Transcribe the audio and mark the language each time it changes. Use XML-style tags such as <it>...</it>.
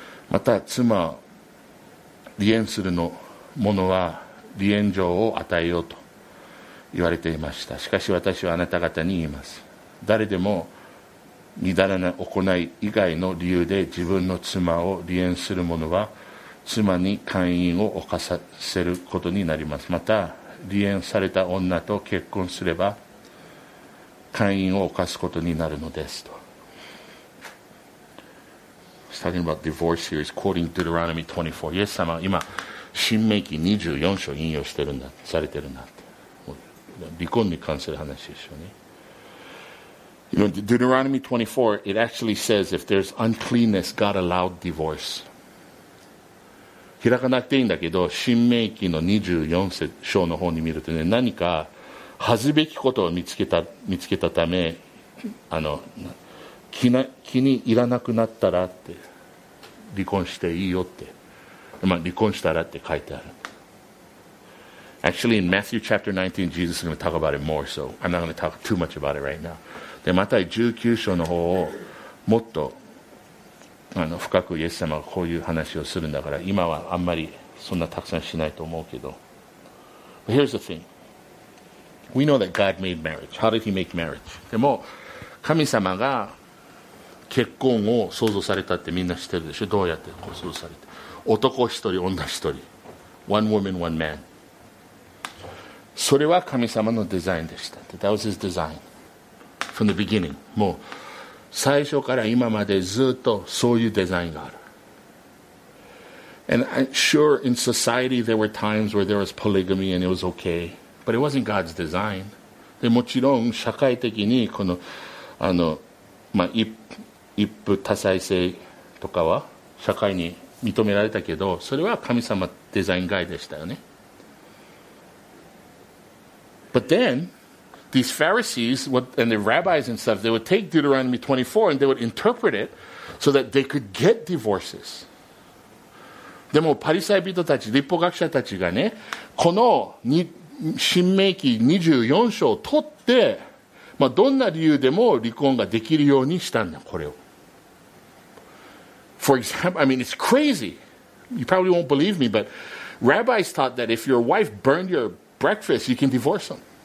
<ja>また妻を離縁するのものは離縁状を与えようと言われていました。しかし私はあなた方に言います、誰でもみだらな行い以外の理由で自分の妻を離縁する者は妻に姦淫を犯させることになります。また離縁された女と結婚すれば姦淫を犯すことになるのですと。</ja> <en>He's talking about divorce here. He's quoting Deuteronomy 24.</en> <ja>イエス様は今申命記24章引用してるんだ、されてるんだって。離婚に関する話でしょうね。</ja> <en>You know, Deuteronomy 24, it actually says if there's uncleanness, God allowed divorce.</en> <ja>開かなくていいんだけど、新命記の24章の方に見るとね、何か恥ずべきことを見つけたため、気に入らなくなったらって、離婚していいよって、まあ、離婚したらって書いてある。</ja> <en>Actually, in Matthew chapter 19, Jesus is going to talk about it more, so I'm not going to talk too much about it right now.</en> <ja>でまた19章の方をもっと深くイエス様がこういう話をするんだから、今はあんまりそんなたくさんしないと思うけど。</ja> <en>But here's the thing. We know that God made marriage. How did he make marriage?</en> <ja>でも神様が結婚を創造されたってみんな知ってるでしょ。どうやって創造されて、男一人女一人、</ja> <en>One woman, one man.</en> <ja>それは神様のデザインでした。</ja> <en>That was his design From the beginning.</en> <ja>もう最初から今までずっとそういうデザインがある。</ja> <en>And I'm sure in society there were times where there was polygamy and it was okay. But it wasn't God's design.</en> <ja>でもちろん社会的にこのあのまあ一夫多妻制とかは社会に認められたけど、それは神様デザイン外でしたよね。</ja> <en>But then these Pharisees and the rabbis and stuff, they would take Deuteronomy 24 and they would interpret it so that they could get divorces.</en> <ja>でもパリサイ人たち、立法学者たちがね、この新命記24章を取って、まあ、どんな理由でも離婚ができるようにしたんだ、これを。</ja> <en>For example, I mean, it's crazy. You probably won't believe me, but rabbis thought that if your wife burned your breakfast, you can divorce them.</en>